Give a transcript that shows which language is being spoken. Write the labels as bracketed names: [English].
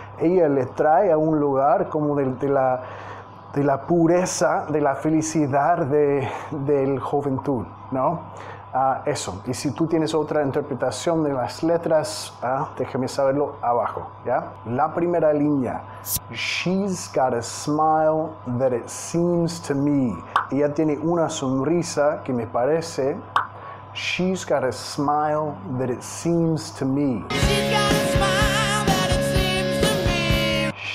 [Spanish] Ella le trae a un lugar como de la pureza, de la felicidad del juventud, ¿no? Eso. Y si tú tienes otra interpretación de las letras, déjame saberlo abajo, ¿ya? La primera línea. [English] She's got a smile that it seems to me. [Spanish] Ella tiene una sonrisa que me parece. [English] She's got a smile that it seems to me. She's got a smile that it seems to me.